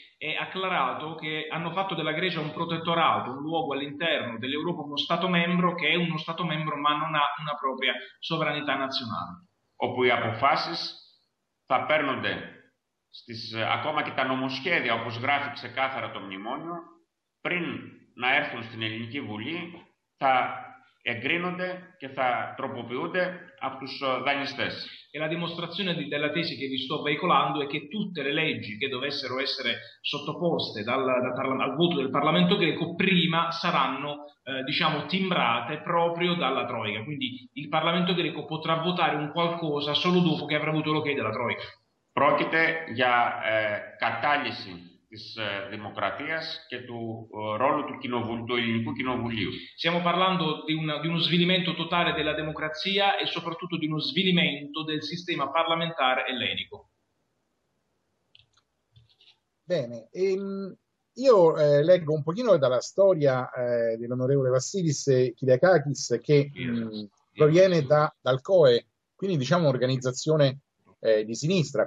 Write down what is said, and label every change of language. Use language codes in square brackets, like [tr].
[it] È acclarato che hanno fatto della Grecia un protettorato, un luogo all'interno dell'Europa, uno Stato membro che è uno Stato membro ma non ha una propria sovranità nazionale. [el] Όπου οι αποφάσεις θα παίρνονται ακόμα και τα νομοσχέδια, όπως γράφει ξεκάθαρα το μνημόνιο, πριν να έρθουν στην Ελληνική Βουλή, θα εγκρίνονται και θα τροποποιούνται από τους δανειστές. [it] E la dimostrazione della tesi che vi sto veicolando è che tutte le leggi che dovessero essere sottoposte al voto del Parlamento greco prima saranno, diciamo, timbrate proprio dalla Troica. Quindi il Parlamento greco potrà votare un qualcosa solo dopo che avrà avuto l'ok della Troica. [el] Πρόκειται για κατάλυση της δημοκρατίας και του ρόλου του κοινοβουλίου, του ελληνικού κοινοβουλίου. [it] Stiamo parlando di uno svilimento totale della democrazia e soprattutto di uno svilimento del sistema parlamentare ellenico. Bene, io leggo un pochino dalla storia dell'onorevole Vassilis Kyriakakis, che proviene dal COE, quindi diciamo un'organizzazione di sinistra.